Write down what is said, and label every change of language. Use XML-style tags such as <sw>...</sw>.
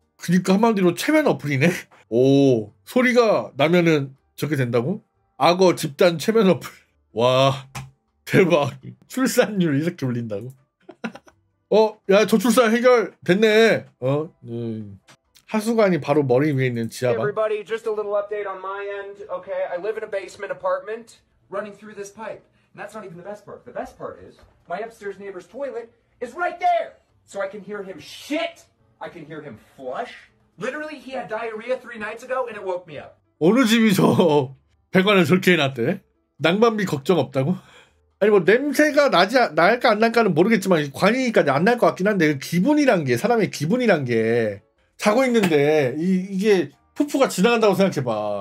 <ko>그니까 한마디로 최면 어플이네? 오 소리가 나면은 저렇게 된다고? 악어 집단 최면 어플. 와 대박. 출산율 이렇게 올린다고? 어? 야 저출산 해결 됐네. 어? 하수관이 바로 머리 위에 있는 지하방.</ko> <en>Everybody, just a little update on my end. Okay, I live in a basement apartment running through this pipe. And that's not even the best part. The best part is my upstairs neighbor's toilet is right there. So I can hear him shit. I can hear him flush. Literally, he had diarrhea three nights ago and it woke me up.</en> <ko>어느 집이 저 배관을 저렇게 해놨대? 낭방비 걱정 없다고? 아니 뭐 냄새가 나지 날까 안 날까는 모르겠지만 관이니까 안 날 것 같긴 한데 기분이란 게 사람의 기분이란 게 자고 있는데 이게 푸푸가 지나간다고 생각해봐.</ko>